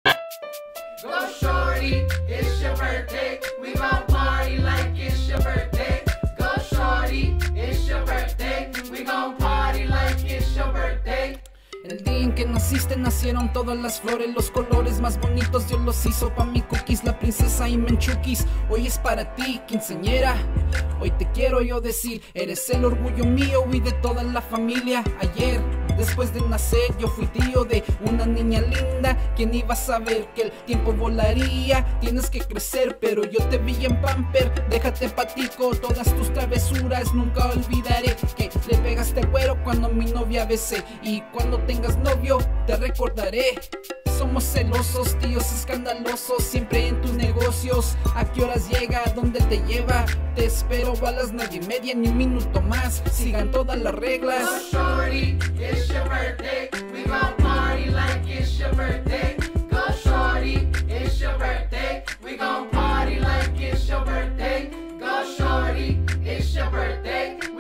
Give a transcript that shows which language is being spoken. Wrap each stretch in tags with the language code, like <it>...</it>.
<en>Go shorty, it's your birthday. We gon' party like it's your birthday. Go shorty, it's your birthday. We gon' party like it's your birthday.</en> <es>El día en que naciste nacieron todas las flores. Los colores más bonitos Dios los hizo pa' mi cookies. La princesa y menchukis, hoy es para ti, quinceañera. Hoy te quiero yo decir, eres el orgullo mío y de toda la familia. Ayer, después de nacer, yo fui tío de una niña linda. ¿Quién iba a saber que el tiempo volaría? Tienes que crecer, pero yo te vi en pamper. Déjate patico, todas tus travesuras nunca olvidaré. Que le pegaste cuero cuando mi novia besé. Y cuando tengas novio, te recordaré. Somos celosos, tíos escandalosos, siempre en tus negocios. ¿A qué horas llega? ¿Dónde te lleva? Te espero a las 9:30, ni un minuto más. Sigan todas las reglas.</es> <en>Go shorty, it's your birthday. We gon' party like it's your birthday. Go shorty, it's your birthday. We gon' party like it's your birthday. Go shorty, it's your birthday.</en>